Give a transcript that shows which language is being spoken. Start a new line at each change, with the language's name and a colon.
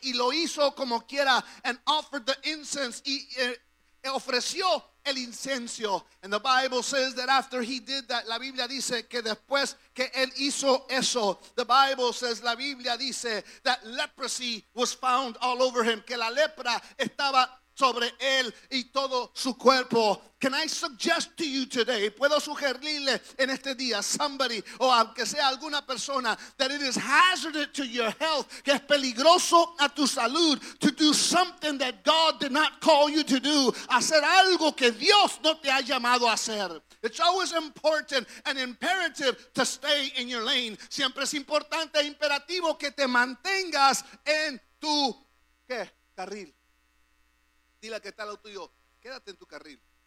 Spanish: Y lo hizo como quiera.
English: And offered the incense.
Spanish: Y ofreció el incienso.
English: And the Bible says that after he did that,
Spanish: la Biblia dice que después que él hizo eso,
English: the Bible says,
Spanish: la Biblia dice,
English: that leprosy was found all over him.
Spanish: Que la lepra estaba sobre él y todo su cuerpo.
English: Can I suggest to you today,
Spanish: puedo sugerirle en este día,
English: somebody,
Spanish: o aunque sea alguna persona,
English: that it is hazardous to your health,
Spanish: que es peligroso a tu salud,
English: to do something that God did not call you to do,
Spanish: hacer algo que Dios no te ha llamado a hacer.
English: It's always important and imperative to stay in your lane.
Spanish: Siempre es importante e imperativo que te mantengas en tu, ¿qué? Carril. Dile que está lo tuyo, quédate en tu carril.